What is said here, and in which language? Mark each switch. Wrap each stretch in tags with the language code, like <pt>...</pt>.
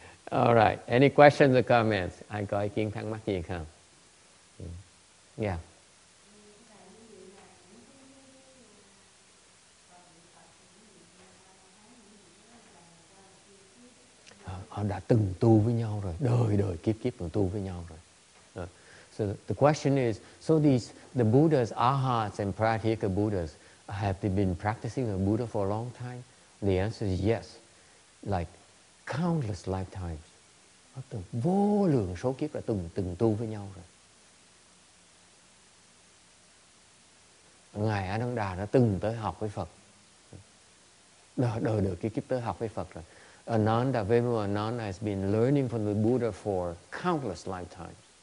<en>All right. Any questions or comments?</en> <vi>Ai có ý kiến thắc mắc gì không? Yeah. Họ đã từng tu với nhau rồi, đời đời kiếp kiếp từng tu với nhau rồi.</vi> <en>So the question is, so these the Buddhas, Arhats and Pratthika Buddhas, have they been practicing the Buddha for a long time? The answer is yes, like countless lifetimes.</en> <vi>Từng vô lượng số kiếp là từng tu với nhau rồi. Ngài Ananda đã từng tới học với Phật. Đời đời kiếp kiếp tới học với Phật rồi.</vi> <en>Ananda, Venerable Ananda has been learning from the Buddha for countless lifetimes.</en>